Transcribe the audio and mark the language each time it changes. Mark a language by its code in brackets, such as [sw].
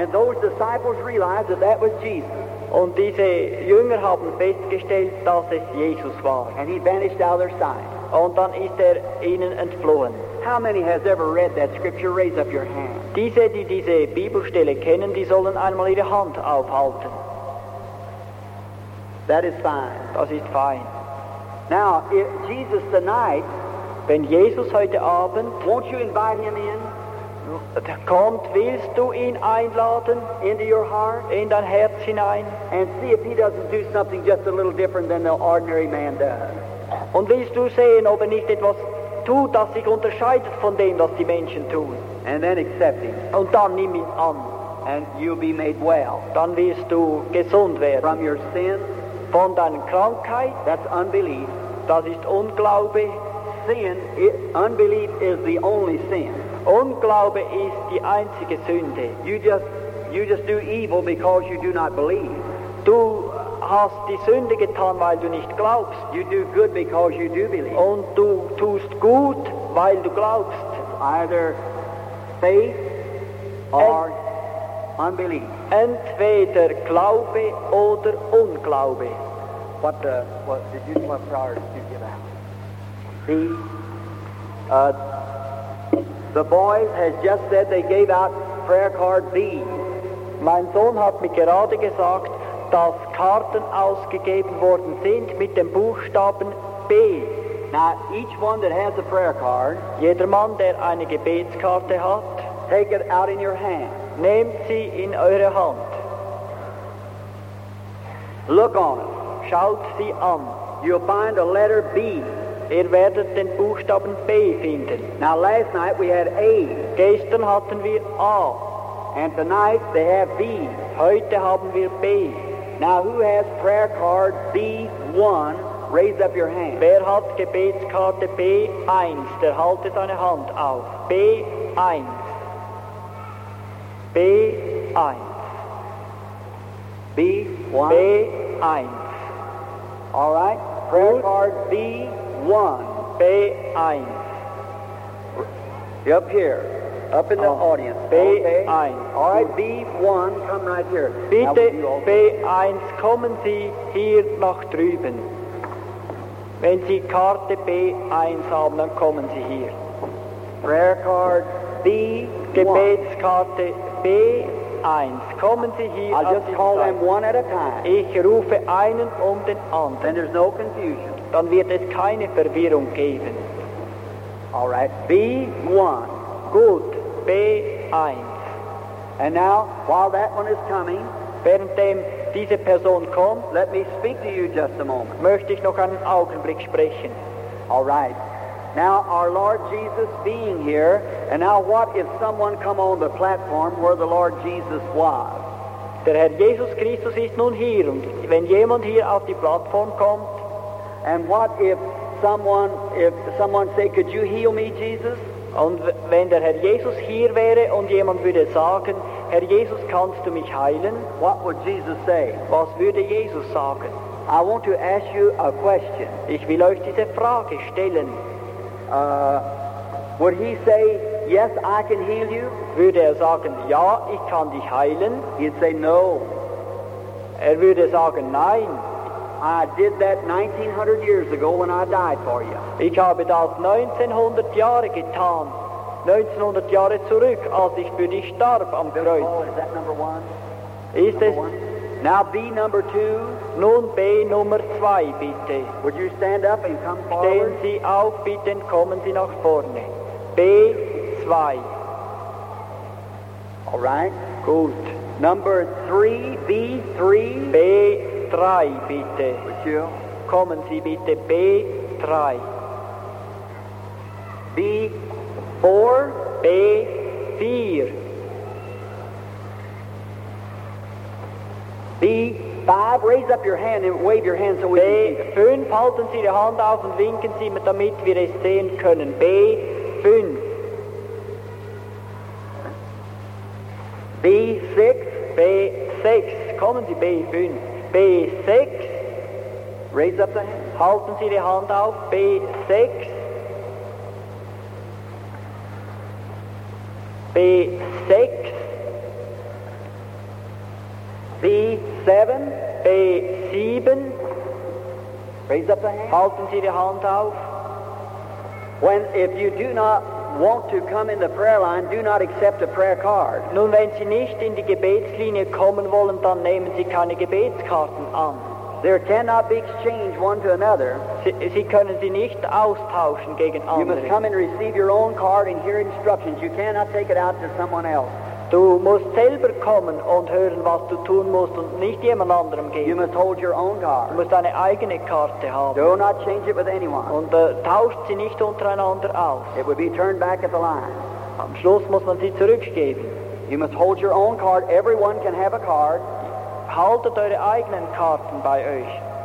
[en] And those disciples realized that that was Jesus. [de] Und diese Jünger haben festgestellt, dass es Jesus war. [en] And he vanished out of their sight. [de] Und dann ist er ihnen entflohen. [en] How many has ever read that scripture? Raise up your hand. [de] Diese, die diese Bibelstelle kennen, die sollen einmal ihre Hand aufhalten. [en] That is fine. [de] Das ist fein. [en] Now, if Jesus tonight, [de] wenn Jesus heute Abend, [en] won't you invite him in? [de] Kommt, willst du ihn einladen? [en] Into your heart? [de] In dein Herz hinein? [en] And see if he doesn't do something just a little different than the ordinary man does. [de] Und willst du sehen, ob er nicht etwas tut, das sich unterscheidet von dem, was die Menschen tun. [en] And then accept him. [de] Und dann nimm ihn an. [en] And you'll be made well. [de] Dann wirst du gesund werden. [en] From your sin. [de] Von deiner Krankheit. [en] That's unbelief. [de] Das ist Unglaube. [en] Sin. Unbelief is the only sin. [de] Unglaube ist die einzige Sünde. [en] You just do evil because you do not believe. [de] Du hast die Sünde getan, weil du nicht glaubst. [en] You do good because you do believe. [de] Und du tust gut, weil du glaubst. [en] Either faith or unbelief. [de] Entweder Glaube oder Unglaube. [en] What priority did you give out? The boys has just said they gave out prayer card B. [de] Mein Sohn hat mir gerade gesagt, dass Karten ausgegeben worden sind mit dem Buchstaben B. [en] Now, each one that has a prayer card, [de] jeder Mann, der eine Gebetskarte hat, [en] take it out in your hand. [de] Nehmt sie in eure Hand. [en] Look on it. [de] Schaut sie an. [en] You'll find a letter B. [de] Ihr werdet den Buchstaben B finden. [en] Now, last night we had A. [de] Gestern hatten wir A. [en] And tonight they have B. [de] Heute haben wir B. [en] Now who has prayer card B1? Raise up your hand. [de] Wer hat Gebetskarte B1? Der halte seine Hand auf. B1. B1. B1. B1. [en] All right. Prayer card B1. B1. Up here. Up in the audience. B1. Okay. All right, B1, come right here. [de] Bitte, B1, kommen Sie hier nach drüben. Wenn Sie Karte B1 haben, dann kommen Sie hier. [en] Prayer card B1. [de] Gebetskarte B1. Kommen Sie hier. [en] I'll just call them one at a time. [de] Ich rufe einen um den anderen. [en] Then there's no confusion. [de] Dann wird es keine Verwirrung geben. [en] All right, B1. [de] Gut. B1. [en] And now, while that one is coming, [de] währenddem diese Person kommt, [en] let me speak to you just a moment. [de] Möchte ich noch einen Augenblick sprechen. [en] All right. Now, our Lord Jesus being here, and now what if someone come on the platform where the Lord Jesus was? [de] Der Herr Jesus Christus ist nun hier, und wenn jemand hier auf die Plattform kommt, [en] and what if someone say, could you heal me, Jesus? [de] Und wenn der Herr Jesus hier wäre und jemand würde sagen, Herr Jesus, kannst du mich heilen? [en] What would Jesus say? [de] Was würde Jesus sagen? [en] I want to ask you a question. [de] Ich will euch diese Frage stellen. [en] Would he say, yes, I can heal you? [de] Würde er sagen, ja, ich kann dich heilen? [en] He'd say, no. [de] Er würde sagen, nein. [en] I did that 1900 years ago when I died for you. [de] Ich habe das 1900 Jahre getan. 1900 Jahre zurück, als ich für dich starb am Kreuz. [en] Oh, is that number one? [de] Ist es? [en] Now B number two. [de] Nun B Nummer zwei, bitte. [en] Would you stand up and come forward? [de] Stehen Sie auf, bitte, und kommen Sie nach vorne. B zwei. [en] All right. [de] Gut. [en] Number three, B three. [de] B drei, bitte. [en] With you. [de] Kommen Sie bitte, B drei. [en] B four. [de] B vier. [en] B five. Raise up your hand and wave your hand so we can see. [de] B fünf. Halten Sie die Hand auf und winken Sie, damit wir es sehen können. B fünf. [en] B six. [de] B sechs. Kommen Sie, B fünf. B sechs. [en] Raise up the hand. [de] Halten Sie die Hand auf. B sechs. B sechs. [en] B seven. [de] B sieben. [en] Raise up the hand. [de] Halten Sie die Hand auf. [en] If you do not want to come in the prayer line, do not accept a prayer card. [de] Nun, wenn Sie nicht in die Gebetslinie kommen wollen, dann nehmen Sie keine Gebetskarten an. [en] There cannot be exchanged one to another. [de] Sie können sie nicht austauschen gegen andere. [en] You must come and receive your own card and hear instructions. You cannot take it out to someone else. [de] Du musst selber kommen und hören, was du tun musst und nicht jemand anderem geben. [en] You must hold your own card. [de] Du musst deine eigene Karte haben. [en] Do not change it with anyone. [de] Und tauscht sie nicht untereinander aus. [en] It will be turned back at the line. [de] Am Schluss muss man sie zurückgeben. [en] You must hold your own card. Everyone can have a card. [de] Haltet eure eigenen Karten bei euch.